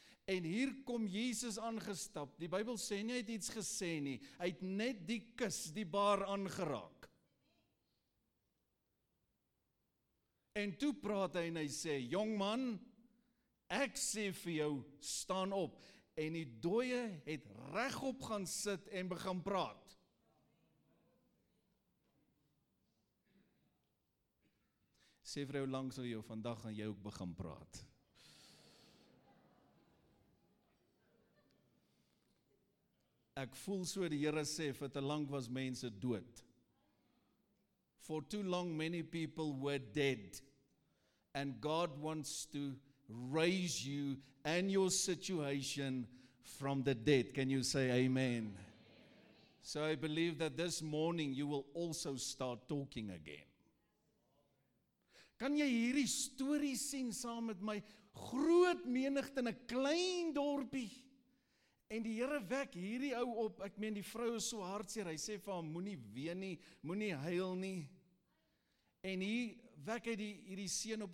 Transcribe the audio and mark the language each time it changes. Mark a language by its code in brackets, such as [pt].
[af] En hier kom Jesus aangestap. Die Bybel sê nie hy het iets gesê nie. Hy het net die kus, die baar aangeraak. En toe praat hy en hy sê, jong man, ek sê vir jou, staan op. En die dooie het regop gaan sit en begin praat. Sê vir jou langs al jou, vandag gaan jy ook begin praat. Ek voel so die Here sê, vir te lank was mense dood. [en] For too long many people were dead. And God wants to raise you and your situation from the dead. Can you say amen? So I believe that this morning you will also start talking again. [af] Kan jy hierdie storie sien saam met my? Groot menigte in 'n klein dorpie. En die Here wek hierdie ou op. Ek meen die vrou is so hartseer. Hy sê vir hom, moenie ween nie, moenie huil nie. En hier wek hy hierdie seun op.